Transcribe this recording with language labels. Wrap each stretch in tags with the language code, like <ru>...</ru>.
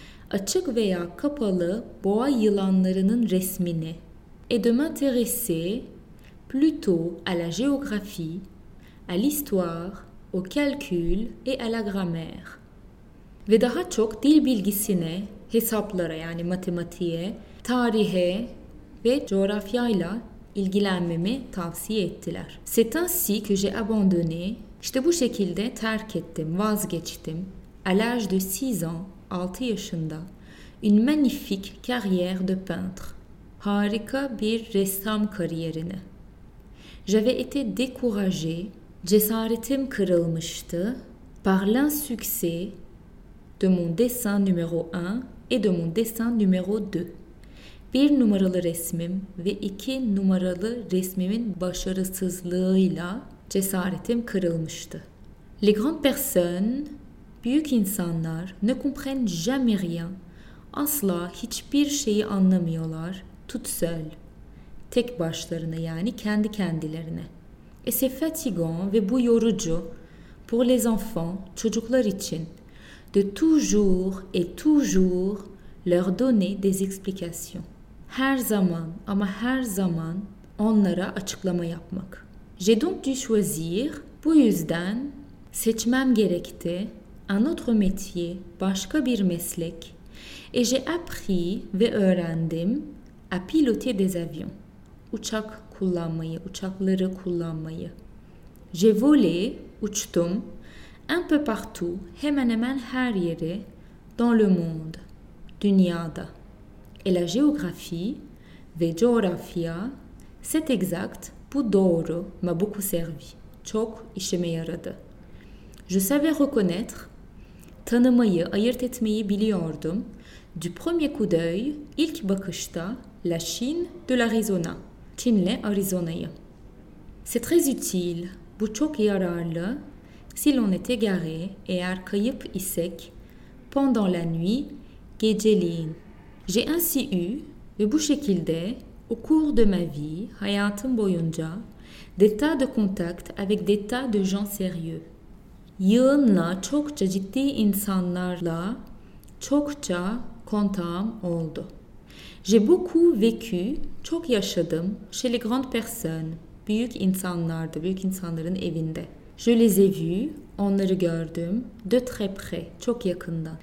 <tr>Açık veya kapalı boa yılanlarının resmini.</tr> <fr>Et de m'intéresser, plutôt à la géographie, à l'histoire, au calcul et à la grammaire.</fr> <tr>Ve daha çok dil bilgisine, hesaplara yani matematiğe, tarihe ve coğrafyayla ilgilenmemi tavsiye ettiler.</tr> <fr>C'est ainsi que j'ai abandonné,</fr> <tr>işte bu şekilde terk ettim, vazgeçtim,</tr> <fr>à l'âge de 6 ans,</fr> <tr>6 yaşında,</tr> <fr>une magnifique carrière de peintre,</fr> <tr>harika bir ressam kariyerini.</tr> <fr>J'avais été découragé,</fr> <tr>cesaretim kırılmıştı,</tr> <fr>par l'insuccès, de mon dessin numéro 1 et de mon dessin numéro 2.</fr> <tr>bir numaralı resmim ve iki numaralı resmimin başarısızlığıyla cesaretim kırılmıştı.</tr> <fr>Les grandes personnes,</fr> <tr>büyük insanlar,</tr> <fr>ne comprennent jamais rien,</fr> <tr>asla hiçbir şeyi anlamıyorlar,</tr> <fr>tout seul,</fr> <tr>tek başlarına yani kendi kendilerine.</tr> <fr>Et c'est fatigant</fr> <tr>ve bu yorucu,</tr> <fr>pour les enfants,</fr> <tr>çocuklar için,</tr> <fr>de toujours et toujours leur donner des explications.</fr> <tr>Her zaman ama her zaman onlara açıklama yapmak.</tr> <fr>J'ai donc dû choisir,</fr> <tr>bu yüzden seçmem gerekti,</tr> <fr>un autre métier,</fr> <tr>başka bir meslek.</tr> <fr>Et j'ai appris</fr> <tr>ve öğrendim</tr> <fr>à piloter des avions.</fr> <tr>Uçak kullanmayı, uçakları kullanmayı.</tr> <fr>J'ai volé,</fr> <tr>uçtum,</tr> <fr>un peu partout,</fr> <tr>hemen hemen her yere,</tr> <fr>dans le monde,</fr> <tr>dünyada.</tr> <fr>Et la géographie</fr> <tr>ve coğrafya,</tr> <fr>c'est exact,</fr> <tr>bu doğru,</tr> <fr>m'a beaucoup servi,</fr> <tr>çok işime yaradı.</tr> <fr>Je savais reconnaître,</fr> <tr>tanımayı, ayırt etmeyi biliyordum,</tr> <fr>du premier coup d'œil,</fr> <tr>ilk bakışta,</tr> <fr>la Chine de l'Arizona,</fr> <tr>Çin'le Arizona'yı.</tr> <fr>C'est très utile,</fr> <tr>bu çok yararlı,</tr> <fr>si l'on est égaré,</fr> <tr>eğer kayıp isek,</tr> <fr>pendant la nuit,</fr> <tr>geceliğin.</tr> <fr>J'ai ainsi eu,</fr> <tr>ve bu şekilde,</tr> <fr>au cours de ma vie,</fr> <tr>hayatım boyunca,</tr> <fr>des tas de contacts avec des tas de gens sérieux.</fr> <tr>Yığınla, çokça ciddi insanlarla, çokça kontağım oldu.</tr> <fr>J'ai beaucoup vécu,</fr> <tr>çok yaşadım,</tr> <fr>chez les grandes personnes,</fr> <tr>büyük insanlarda, büyük insanların evinde.</tr> <fr>Je les ai vus,</fr> <tr>onları gördüm,</tr> <fr>de très près,</fr> <tr>çok yakından.</tr>